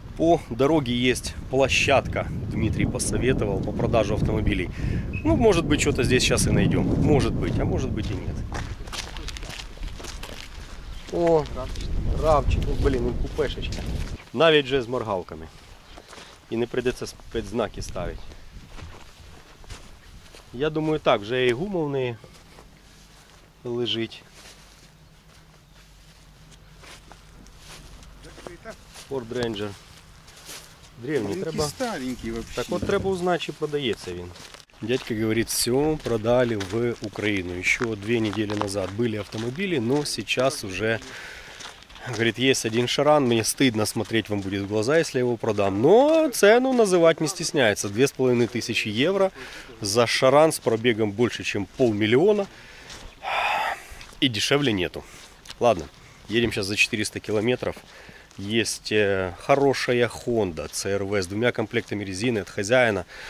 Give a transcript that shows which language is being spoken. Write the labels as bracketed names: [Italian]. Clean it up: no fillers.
[Russian] По дороге есть площадка, Дмитрий посоветовал, по продаже автомобилей. Ну, может быть, что-то здесь сейчас и найдем. Может быть, а может быть и нет. О, рамчик, блин, купешечка. [Ukrainian] Навіть же [Russian] с моргалками. И не придется спецзнаки ставить. [Ukrainian] Я думаю, так, вже і гума в неї лежить. Ford Ranger. Древній треба. [Russian] Старенький вообще. [Ukrainian] Так от треба узнати, чи продається він. Дядька говорить, все продали в Україну. Ще дві тижні назад були автомобілі, [Russian] но сейчас уже. Говорит, есть один шаран, мне стыдно смотреть вам будет в глаза, если я его продам. Но цену называть не стесняется. 2500 евро за шаран с пробегом больше, чем 500 000. И дешевле нету. Ладно, едем сейчас за 400 километров. Есть хорошая Honda CR-V с двумя комплектами резины от хозяина.